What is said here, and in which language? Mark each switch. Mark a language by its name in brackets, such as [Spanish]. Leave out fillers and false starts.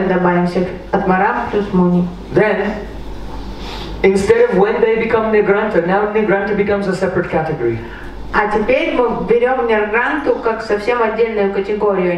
[Russian] мы добавим всех Атмарам плюс Муни. [English] Then, instead of when they become Nirgranta, now Nirgranta becomes a separate category. [Russian] А теперь мы берем Nirgranta как совсем отдельную категорию.